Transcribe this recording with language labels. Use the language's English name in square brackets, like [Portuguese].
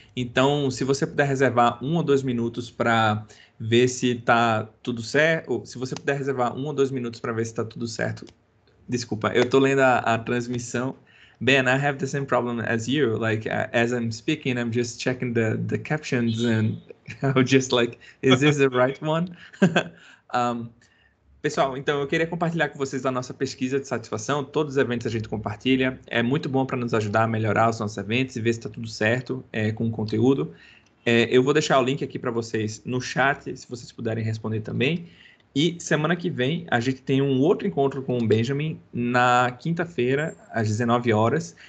[Portuguese] Então, se você puder reservar 1 ou 2 minutos para ver se está tudo certo, se você puder reservar 1 ou 2 minutos para ver se está tudo certo. Desculpa, eu estou lendo a transmissão [English] Ben, I have the same problem as you. Like, as I'm speaking, I'm just checking the captions, and I'm just like, is this the right one? [Portuguese] Pessoal, então eu queria compartilhar com vocês a nossa pesquisa de satisfação. Todos os eventos a gente compartilha. É muito bom para nos ajudar a melhorar os nossos eventos e ver se está tudo certo com o conteúdo. Eu vou deixar o link aqui para vocês no chat, se vocês puderem responder também. E semana que vem a gente tem um outro encontro com o Benjamin na quinta-feira, às 19 horas.